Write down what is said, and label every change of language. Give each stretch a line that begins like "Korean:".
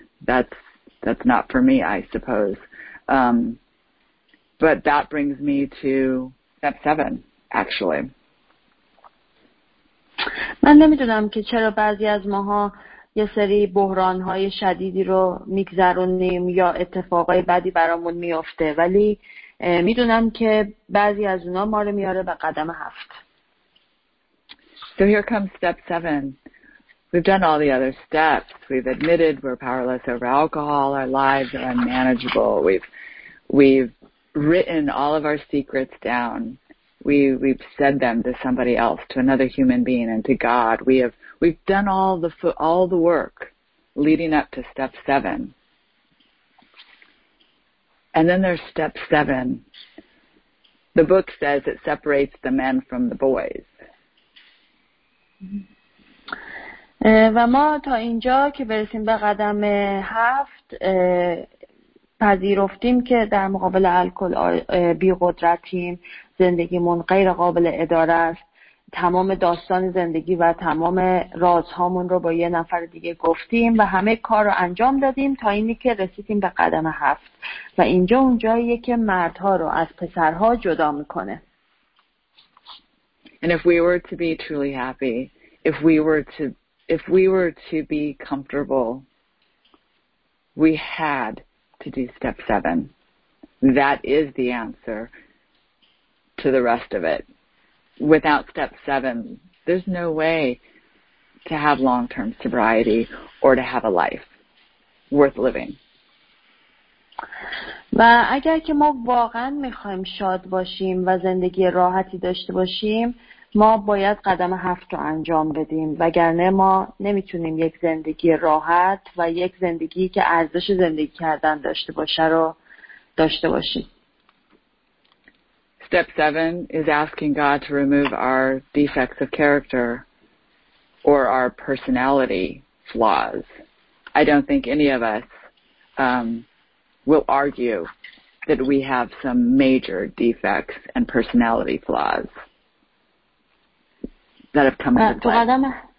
English: That's not for me, I suppose. But that brings me to step 7, actually.
Persian: من نمیدونم که چرا بعضی از ماها یه سری بحران‌های شدیدی رو می‌گذرونیم یا اتفاقای بدی برامون میافته، ولی میدونم که بعضی از اونا ما رو میاره به قدم 7.
English: So here comes step 7. We've done all the other steps. We've admitted we're powerless over alcohol. Our lives are unmanageable. We've written all of our secrets down. We've said them to somebody else, to another human being, and to God. We've done all the work leading up to step 7. And then there's step 7. The book says it separates the men from the boys.
Persian: و ما تا اینجا که برسیم به قدم 7 پذیرفتیم که در مقابل الکل بی قدرتیم، زندگیمون غیر قابل اداره است، تمام داستان زندگی و تمام رازهامون رو با یه نفر دیگه گفتیم و همه کار رو انجام دادیم تا اینی که رسیدیم به قدم 7 و اینجا اونجاییه که مردها رو از پسرها جدا میکنه.
English: And if we were to be truly happy, if we were to be comfortable, we had to do step 7. That is the answer to the rest of it. Without step 7, there's no way to have long-term sobriety or to have a life worth living.
Persian: و اگر که ما واقعا میخوایم شاد باشیم و زندگی راحتی داشته باشیم، ما باید قدم 7 رو انجام بدیم، وگرنه ما نمیتونیم یک زندگی راحت و یک زندگی که ارزش زندگی کردن داشته باشه رو داشته باشیم.
English: Step 7 is asking God to remove our defects of character or our personality flaws. I don't think any of us will argue that we have some major defects and personality flaws that have come into play.